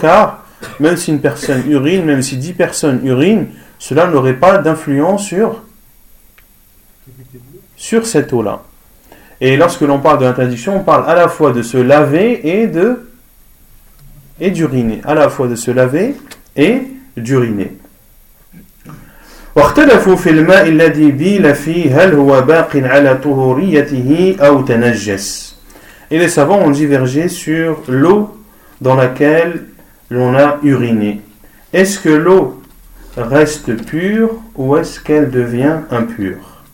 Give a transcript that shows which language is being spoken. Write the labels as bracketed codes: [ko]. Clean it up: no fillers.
[fr] Car même si une personne urine, même si 10 personnes urinent, cela n'aurait pas d'influence sur cette eau-là. Et lorsque l'on parle de l'interdiction, on parle à la fois de se laver et d'uriner. À la fois de se laver et d'uriner. [ar] واختلفوا في الماء الذي بيل فيه هل هو باق على طهوريته أو تنجس. [fr] Et les savants ont divergé sur l'eau dans laquelle l'on a uriné. Est-ce que l'eau reste pure ou est-ce qu'elle devient impure?